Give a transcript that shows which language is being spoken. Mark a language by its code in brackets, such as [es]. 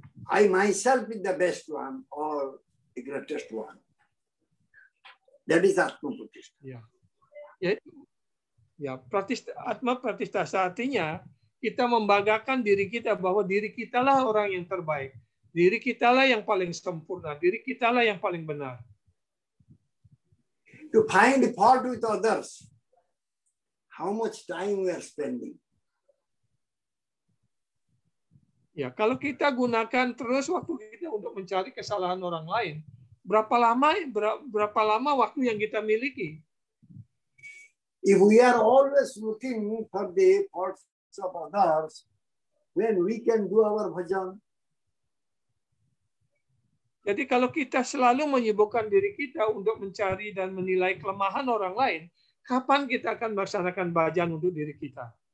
[en] I myself is the best one or the greatest one. That is Atma Pratishtha. [id] Ya. Ya, Atma Pratishtha artinya kita membanggakan diri kita bahwa diri kitalah orang yang terbaik. Diri kitalah yang paling sempurna, diri kitalah yang paling benar. [en] To find fault with others, how much time we are spending? [id] Ya, kalau kita gunakan terus waktu kita untuk mencari kesalahan orang lain, berapa lama waktu yang kita miliki? [en] If we are always looking for the faults of others, when we can do our bhajan? [id] Jadi kalau kita selalu menyibukkan diri kita untuk mencari dan menilai kelemahan orang lain, kapan kita akan melaksanakan bhajan untuk diri kita?